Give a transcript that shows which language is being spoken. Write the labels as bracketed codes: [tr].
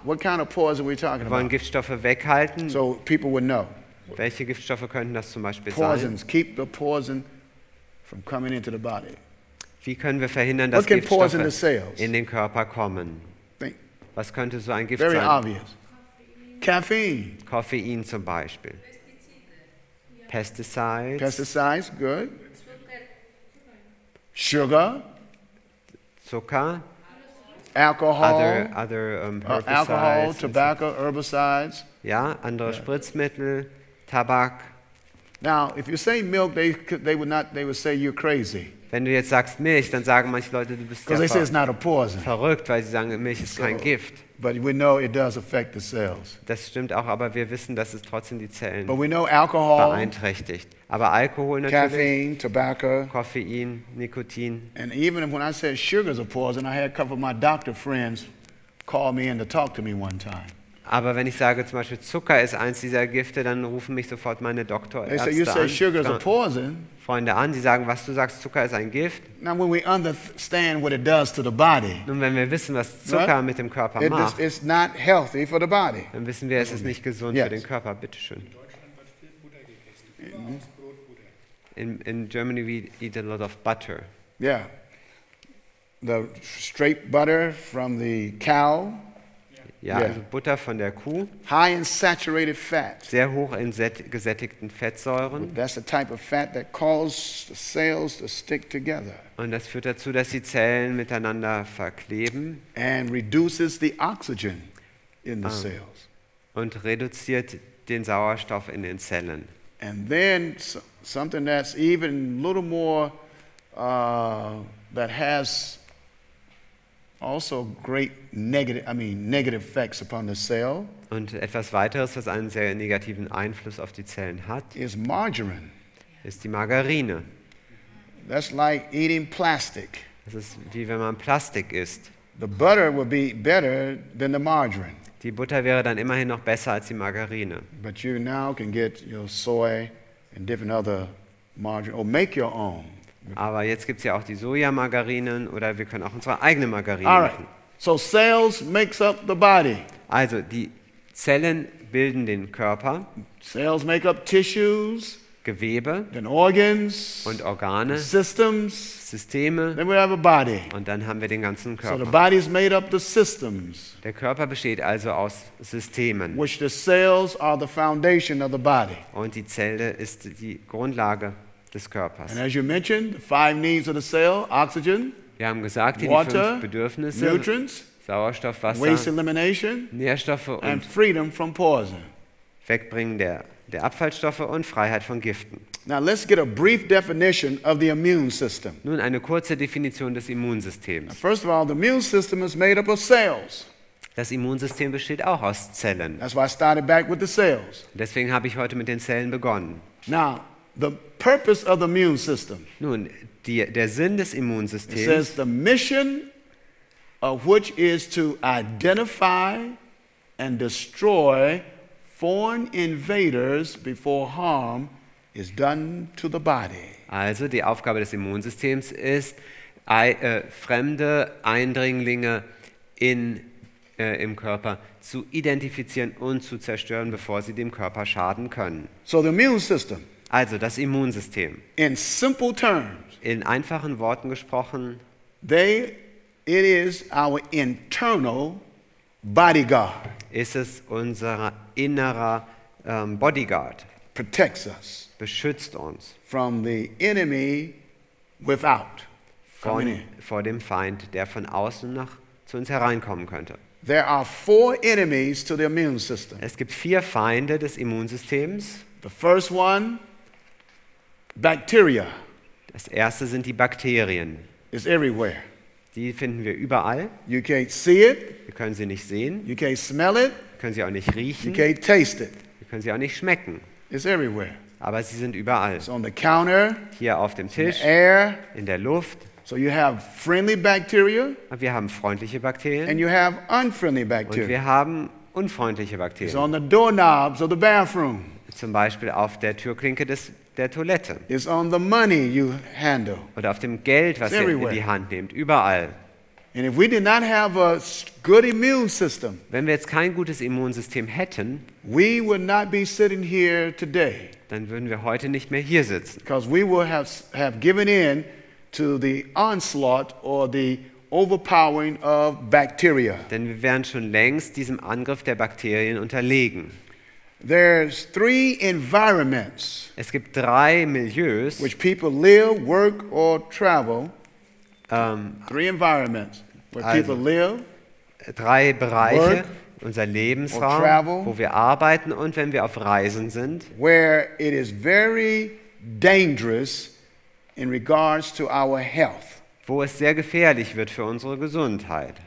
[en] What kind of poison are we talking about? [de] Wollen Giftstoffe weghalten? [en] So people would know. [de] Welche Giftstoffe könnten das zum Beispiel [en] poisons. [de] Sein? [en] Keep the poison from coming into the body. [de] Wie können wir verhindern, dass Giftstoffe in den Körper kommen? [en] Think. [de] Was könnte so ein Gift [en] Very [de] sein? [en] Very obvious. Caffeine. [de] Koffein zum Beispiel. [en] Pesticides. Pesticides, good. Sugar. [de] Zucker. [en] Alcohol. Other herbicides. Alcohol, tobacco, herbicides. [de] Ja, andere yeah. Spritzmittel, Tabak. [en] Now, if you say milk, they would say you're crazy. [de] Wenn du jetzt sagst Milch, dann sagen manche Leute, du bist [en] they say it's not a poison. [de] Verrückt, weil sie sagen, Milch ist kein Gift. [en] But we know it does affect the cells. [de] Das stimmt auch, aber wir wissen, dass es trotzdem die Zellen [en] but we know alcohol, [de] beeinträchtigt. Aber Alkohol natürlich. [en] Caffeine, tobacco, [de] Koffein, Nikotin. [en] And even when I said sugar is a poison, I had a couple of my doctor friends call me in to talk to me one time. [de] Aber wenn ich sage, zum Beispiel Zucker ist eins dieser Gifte, dann rufen mich sofort meine Doktorärzte an. Freunde an, sie sagen, was du sagst, Zucker ist ein Gift. [en] Now when we understand what it does to the body, [de] nun, wenn wir wissen, was Zucker mit dem Körper macht, [en] it's not healthy for the body. [de] Dann wissen wir, es ist nicht gesund [en] yes. [de] für den Körper. Bitte schön. [en] In Germany we eat a lot of butter. Yeah. The straight butter from the cow. [de] Ja, also Butter von der Kuh. [en] High in saturated fat. [de] Sehr hoch in gesättigten Fettsäuren. [en] That's the type of fat that causes the cells to stick together. [de] Und das führt dazu, dass die Zellen miteinander verkleben. [en] And reduces the oxygen in the cells. [de] Und reduziert den Sauerstoff in den Zellen. [en] And then something that's even a little more that has also great negative effects upon the cell. [de] Und etwas weiteres, was einen sehr negativen Einfluss auf die Zellen hat, [en] is margarine. [de] Ist die Margarine. [en] That's like eating plastic. [de] Das ist wie wenn man Plastik isst. [en] The butter would be better than the margarine. [de] Die Butter wäre dann immerhin noch besser als die Margarine. [en] But you now can get your soy and different other margarine or make your own. [de] Aber jetzt gibt es ja auch die Sojamargarinen oder wir können auch unsere eigene Margarine machen. [en] Alright. So cells makes up the body. [de] Also die Zellen bilden den Körper. [en] Cells make up tissues. [de] Gewebe. [en] Then organs. [de] Und Organe. [en] Systems. [de] Systeme. [en] Then we have a body. [de] Und dann haben wir den ganzen Körper. [en] So the body is made up the systems. [de] Der Körper besteht also aus Systemen. [en] Which the cells are the foundation of the body. [de] Und die Zelle ist die Grundlage. [en] And as you mentioned, the five needs of the cell, oxygen, [de] wir haben gesagt, [en] water, [de] die fünf Bedürfnisse, [en] nutrients, [de] Sauerstoff, Wasser, [en] waste elimination, [de] Nährstoffe und [en] and freedom from poison. [de] Wegbringen der Abfallstoffe und Freiheit von Giften. [en] Now let's get a brief definition of the immune system. [de] Nun eine kurze Definition des Immunsystems. [en] Now, first of all, the immune system is made up of cells. [de] Das Immunsystem besteht auch aus Zellen. [en] That's why I started back with the cells. [de] Deswegen habe ich heute mit den Zellen begonnen. [en] Now, the purpose of the immune system. [de] Nun, der Sinn des Immunsystems. [en] It says the mission of which is to identify and destroy foreign invaders before harm is done to the body. [de] Also die Aufgabe des Immunsystems ist, fremde Eindringlinge im Körper zu identifizieren und zu zerstören, bevor sie dem Körper schaden können. [en] So the immune system. [de] Also das Immunsystem. [en] In simple terms, [de] in einfachen Worten gesprochen, [en] it is our internal bodyguard. [de] Ist es unser innerer Bodyguard. [en] Protects us. [de] Beschützt uns. [en] From the enemy without. [de] Vor dem Feind, der von außen nach zu uns hereinkommen könnte. [en] There are four enemies to the immune system. [de] Es gibt vier Feinde des Immunsystems. [en] The first one, bacteria. [de] Das erste sind die Bakterien. [en] It's everywhere. [de] Die finden wir überall. [en] You can't see it. [de] Wir können sie nicht sehen. [en] You can't smell it. [de] Wir können sie auch nicht riechen. [en] You can't taste it. [de] Wir können sie auch nicht schmecken. [en] It's everywhere. [de] Aber sie sind überall. [en] It's on the counter. [de] Hier auf dem Tisch. [en] In the air. [de] In der Luft. [en] So you have friendly bacteria. [de] Und wir haben freundliche Bakterien. [en] And you have unfriendly bacteria. [de] Und wir haben unfreundliche Bakterien. [en] It's on the doorknobs of the bathroom. [de] Zum Beispiel auf der Türklinke der Toilette. [en] It's on the money you handle. [de] Oder auf dem Geld, was ihr in die Hand nehmt. Überall. [en] And if we did not have a good immune system, [de] wenn wir jetzt kein gutes Immunsystem hätten, [en] we would not be sitting here today. [de] Dann würden wir heute nicht mehr hier sitzen. [en] Because we would have given in to the onslaught or the overpowering of bacteria. [de] Denn wir wären schon längst diesem Angriff der Bakterien unterlegen. [en] There's three environments. [de] Es gibt drei Milieus, [en] which people live, work or travel. Three environments where people live. [de] Drei Bereiche, work, unser Lebensraum, [en] travel, [de] wo wir arbeiten und wenn wir auf Reisen sind. [en] Where it is very dangerous in regards to our health. [de] Wo es sehr gefährlich wird für unsere Gesundheit.